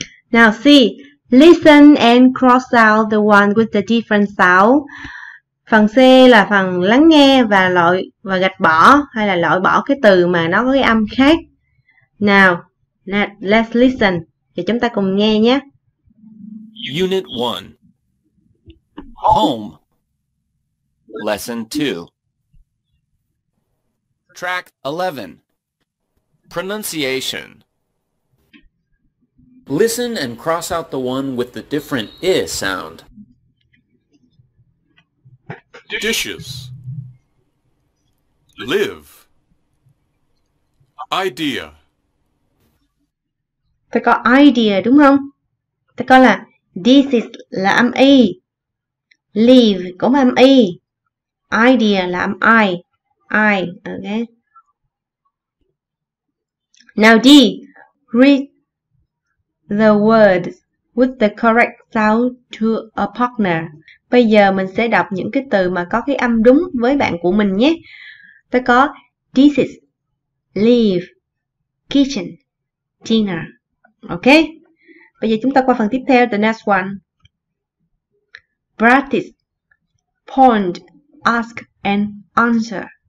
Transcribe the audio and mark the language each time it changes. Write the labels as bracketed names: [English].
[English] Now see, listen and cross out the one with the different sound. [Vietnamese] Phần C là phần lắng nghe và loại và gạch bỏ hay là loại bỏ cái từ mà nó có cái âm khác. [English] Now, let's listen. [Vietnamese] Thì chúng ta cùng nghe nhé. [English] Unit 1. Home. Lesson 2. Track 11. Pronunciation. Listen and cross out the one with the different I sound. Dishes. Live. Idea. [Vietnamese] Ta có idea đúng không? Ta có là this is là âm I. Live cũng âm I. Idea là âm I. I, okay. [English] Now D, read the words with the correct sound to a partner. [Vietnamese] Bây giờ mình sẽ đọc những cái từ mà có cái âm đúng với bạn của mình nhé. Ta có this is, live, kitchen, dinner. Ok. Bây giờ chúng ta qua phần tiếp theo, [English] the next one. Practice, point, ask and answer.